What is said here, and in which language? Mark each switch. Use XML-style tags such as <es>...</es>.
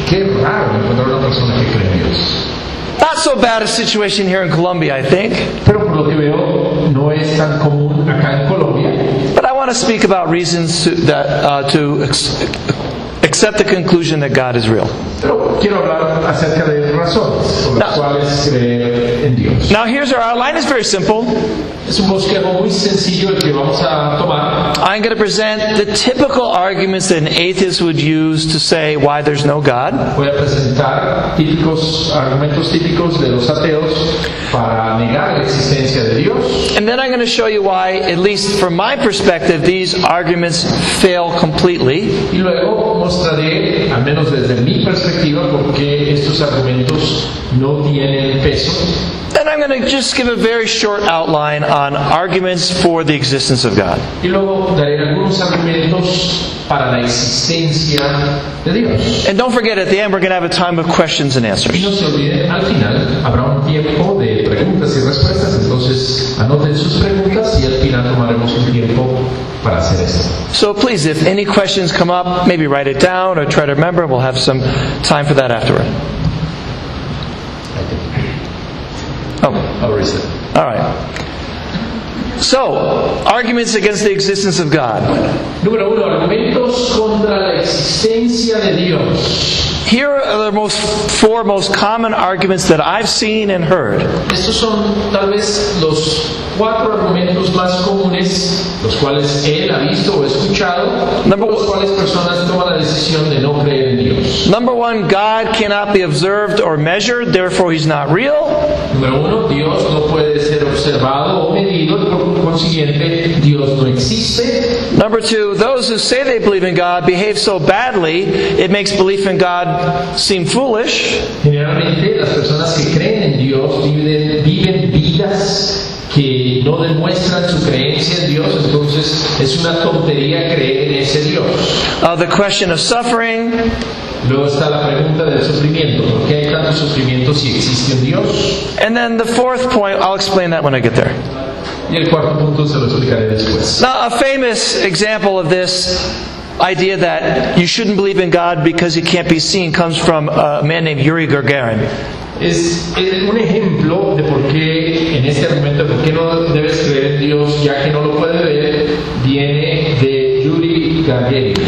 <es>Qué raro encontrar una persona que cree en Dios.</es> <en>Not so bad a situation here in Colombia, I think.</en> <es>Pero por lo que veo, no es tan común acá en Colombia.</es> <en>But I want to speak about reasons to accept the conclusion that God is real.</en> <es>Pero quiero hablar acerca de razones por las cuales creer en Dios.</es> <en>Now here's our outline. It's very simple.</en> <es>Es un bosquejo muy sencillo el que vamos a tomar.</es> <en>I'm going to present the typical arguments that an atheist would use to say why there's no God.</en> <es>Voy a presentar típicos argumentos típicos de los ateos para negar la existencia de Dios.</es> <en>And then I'm going to show you why, at least from my perspective, these arguments fail completely.</en> <es>Y luego mostraré, al menos desde mi perspectiva, por qué estos argumentos no tienen peso.</es> <en>And I'm going to just give a very short outline on arguments for the existence of God.</en> <es>Y luego daré algunos argumentos para la existencia de Dios.</es> <en>And don't forget, at the end, we're going to have a time of questions and answers.</en> <es>Y no se olvide, al final habrá un tiempo de preguntas y respuestas. Entonces, anoten sus preguntas y al final tomaremos un tiempo para hacer esto.</es> <en>So please, if any questions come up, maybe write it down or try to remember. We'll have some time for that afterward. Oh, all right. So, arguments against the existence of God.</en> <es>Número uno, argumentos contra la existencia de Dios.</es> <en>Here are the four most common arguments that I've seen and heard.</en> <es>Estos son tal vez los cuatro argumentos más comunes los cuales él ha visto o escuchado, por los cuales personas toman la decisión de no creer en Dios.</es> <en>Number one, God cannot be observed or measured, therefore he's not real.</en> <es>Número uno, Dios no puede ser observado o medido, por consiguiente, Dios no existe.</es> <en>Number two, those who say they believe in God behave so badly, it makes belief in God seem foolish.</en> <es>Generalmente, las personas que creen en Dios viven vidas que no demuestran su creencia en Dios, entonces es una tontería creer en ese Dios.</es> <en>The question of suffering.</en> <es>Luego está la pregunta del sufrimiento. ¿Por qué hay tanto sufrimiento si existe un Dios?</es> <en>And then the fourth point, I'll explain that when I get there.</en> <es>Y el cuarto punto se lo explicaré después.</es> <en>Now, a famous example of this idea that you shouldn't believe in God because he can't be seen comes from a man named Yuri Gagarin.</en> <es>Es un ejemplo de por qué en este argumento, por qué no debes creer en Dios ya que no lo puede ver, viene de Yuri Gagarin.</es>